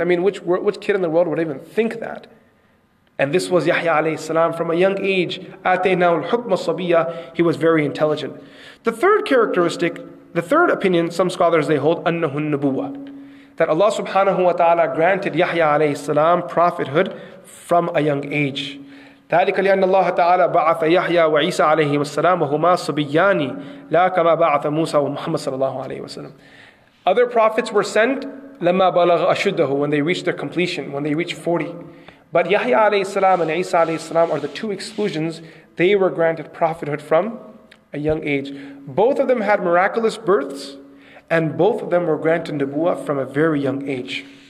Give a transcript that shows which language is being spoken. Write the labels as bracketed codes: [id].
[en] I mean, which kid in the world would even think that? And this was Yahya alayhi salam from a young age. [ar] Ataynahu al-hukma sabiyya. [en] He was very intelligent. The third characteristic, the third opinion, some scholars they hold, annahu an-nubuwwah, that Allah subhanahu wa ta'ala granted Yahya alayhi salam prophethood from a young age. [ar] ذلك لأن الله تعالى بعث يحيى وعيسى عليهما السلام وهما صبيان لا كما بعث موسى ومحمد صلى الله عليه وسلم. [en] Other prophets were sent [ar] لما بلغ أشده, [en] when they reached their completion, when they reached 40. But Yahya alayhi salam and Isa alayhi salam are the two exclusions. They were granted prophethood from a young age. Both of them had miraculous births, and both of them were granted nubuwwah from a very young age.